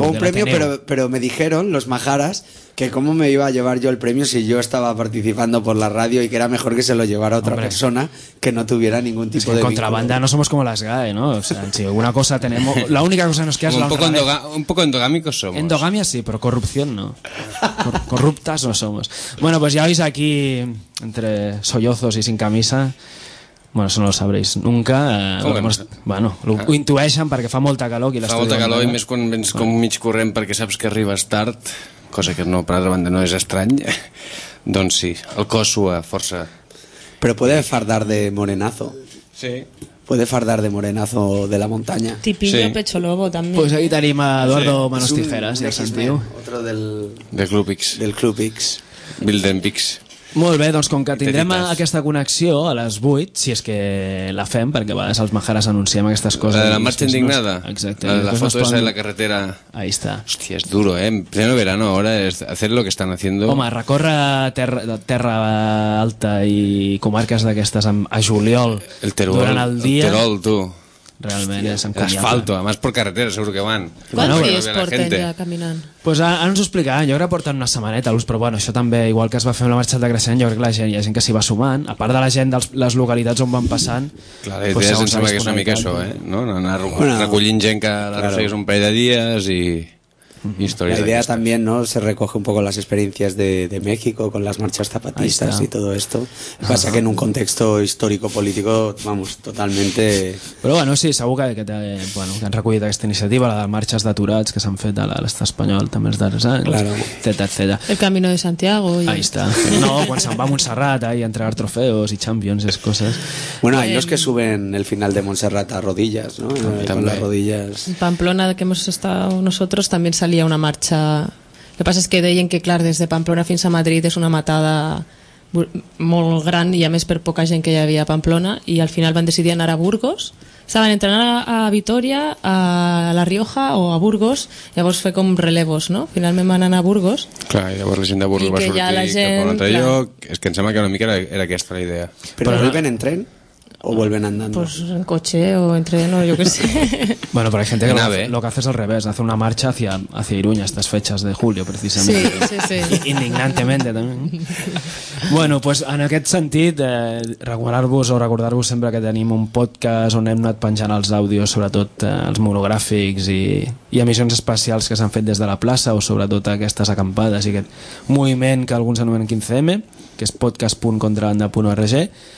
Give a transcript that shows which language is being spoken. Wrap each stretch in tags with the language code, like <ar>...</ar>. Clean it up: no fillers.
<es>tocó un premio, pero me dijeron los Majaras que cómo me iba a llevar yo el premio si yo estaba participando por la radio y que era mejor que se lo llevara otra persona que no tuviera ningún tipo de contrabanda vínculo. No somos como las GAE, ¿no? O sea, si alguna cosa tenemos, la única cosa que nos queda es la un poco endogámicos somos. Endogamia sí, pero corrupción no. Corruptas no somos. Bueno, pues ya veis aquí entre sollozos y sin camisa</es> <ca>Bueno, això no ho sabreu nunca. Bueno, ho intueixen perquè fa molta calor aquí. Fa molta calor i més quan vens com mig corrent perquè saps que arribes tard, cosa que no, per altra banda, no és estrany. Doncs sí, el cos sua força. Però podeu fardar de morenazo. Sí.</ca> <es>Puede fardar de morenazo de la montaña. Tipillo, sí. Pecho lobo también. Pues ahí te anima Eduardo, sí. Manos Tijeras, ya sentiu. Otro del... Del Club X. Del Club X. Wilden Pix.</es> <ca>Molt bé, doncs com que tindrem aquesta connexió a les 8, si és que la fem, perquè a vegades els Majares anunciem aquestes coses... La de la marxa indignada. Exacte.</ca> <es>La foto esa de la carretera. Ahí está.</es> <ca>Hòstia, és duro, eh?</ca> <es>En pleno verano, ahora, hacer lo que están haciendo...</es> <ca>Home, recórrer terra alta i comarques d'aquestes a juliol. El Teruel. Durant el dia. El Terol, tu. Realment, és encomiable. L'asfalto, a més per carretera, segur que van. Quants dies porten ja caminant? Pues ara ens ho explicarà, jo crec que porten una setmaneta, però bueno, això també, igual que es va fer amb la marxa de Gracian, jo crec que la gent, hi ha gent que s'hi va sumant, a part de la gent de les localitats on van passant... Clar, la idea em sembla que és una mica això, no? Anar recollint gent que arrossegues un parell de dies i...</ca> <es>La idea también, ¿no? Se recoge un poco las experiencias de México con las marchas zapatistas y todo esto. Pasa que en un contexto histórico-político, vamos, totalmente...</es> <ca>Però bueno, sí, segur que, que han recollit aquesta iniciativa, la de marxes d'aturats que s'han fet a l'estat espanyol també els darrers anys,</ca> <es>claro.</es> <ca>Etcètera.</ca> <es>El Camino de Santiago. Y... Ahí está.</es> <ca>No, quan se'n va a Montserrat a entregar trofeos i Champions i coses.</ca> <es>Bueno, hay los que suben el final de Montserrat a rodillas, ¿no? También. Con las rodillas. En Pamplona, que hemos estado nosotros, también se salia una marxa.</es> <ca>El que passa és que deien que, clar, des de Pamplona fins a Madrid és una matada molt gran i, a més, per poca gent que hi havia a Pamplona, i al final van decidir anar a Burgos. Estaven entrenant a Vitoria, a La Rioja o a Burgos, llavors fer com relevos, no? Finalment van anar a Burgos. Clar, i llavors la gent de Burgos va sortir cap a un altre lloc. És que em sembla que una mica era aquesta la idea. Però arriben en tren?</ca> <es>¿O vuelven andando? Pues en coche o en tren o yo qué sé. Bueno, pero hay gente que lo que hace es al revés, hace una marcha hacia Iruña estas fechas de julio, precisamente. Sí, sí, sí. Indignantemente también.</es> <ca>Bueno, pues en aquest sentit, recordar-vos o recordar-vos sempre que tenim un podcast on hem anat penjant els àudios, sobretot els monogràfics i emissions especials que s'han fet des de la plaça o sobretot aquestes acampades i aquest moviment que alguns anomenen 15M, que és podcast.contrabanda.org,</ca>